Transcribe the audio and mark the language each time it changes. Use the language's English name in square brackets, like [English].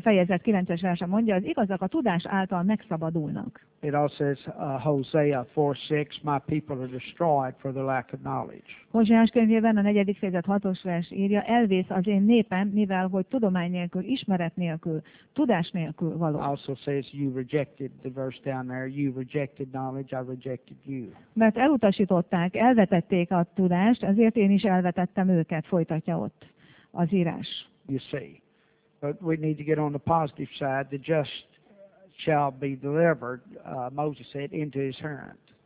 [Hungarian] fejezet 9-es verse mondja, az igazak a tudás által megszabadulnak. [English] It also says Hosea 4:6, my people are destroyed for the lack of knowledge. [Hungarian] Hozsiás könyvében a 4. fejezet 6-os vers írja, elvész az én népem, mivel hogy tudomány nélkül, ismeret nélkül, tudás nélkül való. [English] Also says you rejected the verse down there, you rejected knowledge, I rejected you. [Hungarian] Mert elutasították, elvetették a tudást, ezért én is elvetettem őket, folytatja ott az írás. [English] You see. But we need to get on the positive side. The just shall be delivered, Moses said, into his hand.